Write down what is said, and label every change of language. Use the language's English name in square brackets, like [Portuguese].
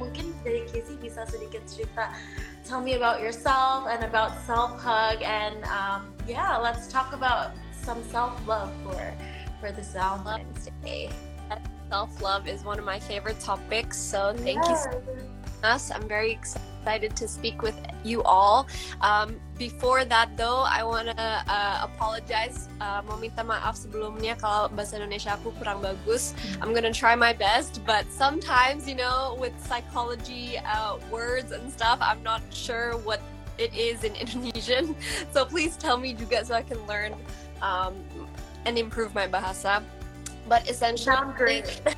[Indonesian] Mungkin dari Kizzy bisa sedikit cerita, [English] tell me about yourself and about self-hug, and let's talk about some self-love for the Valentine's Day. Self-love is one of my favorite topics, so thank you so much. I'm very excited to speak with you all. Before that though, I wanna apologize. [Indonesian] Mau minta maaf sebelumnya kalau bahasa Indonesia aku kurang bagus. [English] I'm gonna try my best, but sometimes, you know, with psychology words and stuff, I'm not sure what it is in Indonesian. So please tell me juga so I can learn and improve my bahasa. But essentially, sounds great.